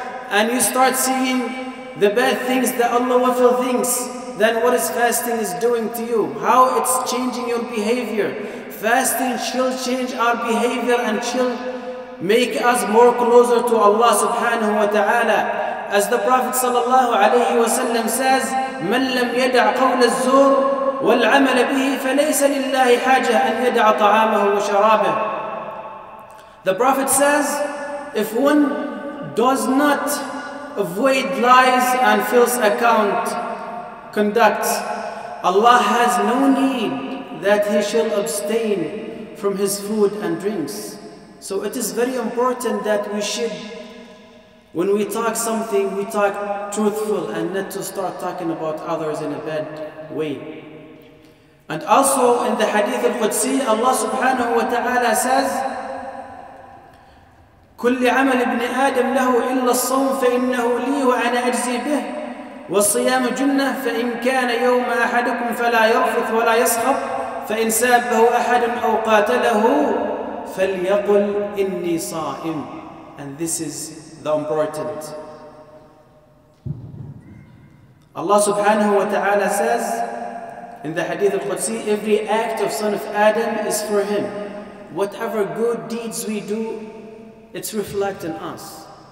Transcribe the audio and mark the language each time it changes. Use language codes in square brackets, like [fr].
[en] And you start seeing the bad things, the Allah wafil things, then what is fasting is doing to you? How it's changing your behavior? Fasting shall change our behavior and shall make us more closer to Allah subhanahu wa ta'ala. As the Prophet sallallahu alayhi wa sallam says, [ar] مَنْ لَمْ يَدْعَ قَوْلَ الزُّورِ والعمل به فليس لله حاجة أن يدع طعامه وشرابه. [en] The Prophet says, if one does not avoid lies and false account conducts, Allah has no need that he shall abstain from his food and drinks. So it is very important that we should, when we talk something, we talk truthful and not to start talking about others in a bad way. And also in the hadith al-Qudsi, Allah subhanahu wa ta'ala says, [ar] كل عمل ابن آدم له إلا الصوم فإنه لي وأنا أجزي به والصيام جنة فإن كان يوم أحدكم فلا يرفث ولا يسخط فإن سابه أحد أو قاتله فليقل إني صائم. [en] And this is the important. Allah subhanahu wa ta'ala says in the hadith al-Qudsi, every act of son of Adam is for him. Whatever good deeds we do, it's reflecting us.